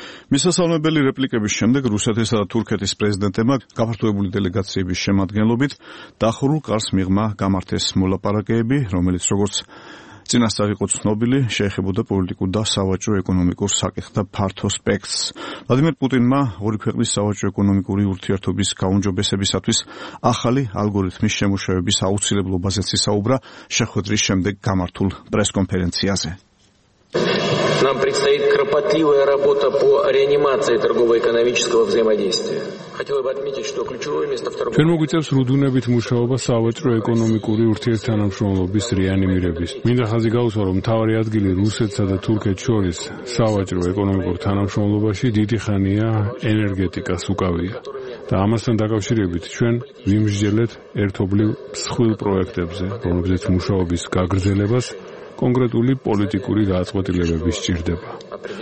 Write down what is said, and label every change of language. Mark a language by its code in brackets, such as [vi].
[ka] მისასალმებელი რეპლიკების შემდეგ რუსეთისა და თურქეთის პრეზიდენტებმა გაფართოებული დელეგაციების შემადგენლობით დახურულ კარს მიღმა გამართეს მოლაპარაკეები, რომელიც როგორც წინასწარ იყო ცნობილი, შეეხებოდა პოლიტიკურ და სავაჭრო-ეკონომიკურ საკითხთა ფართო სპექტრს. ვლადიმერ პუტინმა ორი ქვეყნის სავაჭრო-ეკონომიკური ურთიერთობის გაუმჯობესებისათვის ახალი ალგორითმის შემუშავების აუცილებლობაზეც ისაუბრა შეხვედრის შემდეგ გამართულ პრესკონფერენციაზე. [ru] Нам предстоит кропотливая работа по реанимации торгово-экономического взаимодействия. Хотелось бы отметить, что ключевое место второго. [ka] Ჩვენ მოგვიწევს რუდუნებით მუშაობა სავაჭრო-ეკონომიკური ურთიერთთანამშრომლობის რეანიმირების. მინდა ხაზი გაუსვა, რომ მთავარი ადგილი რუსეთსა და თურქეთს შორის სავაჭრო-ეკონომიკურ თანამშრომლობაში დიდი ხანია ენერგეტიკას უკავია. და ამასთან დაკავშირებით ჩვენ ვიმსჯელეთ ერთობლივ მსხვილ პროექტებზე, რომლებზეც მუშაობის გაგრძელებას კონკრეტული პოლიტიკური გადაწყვეტილებები სჭირდება.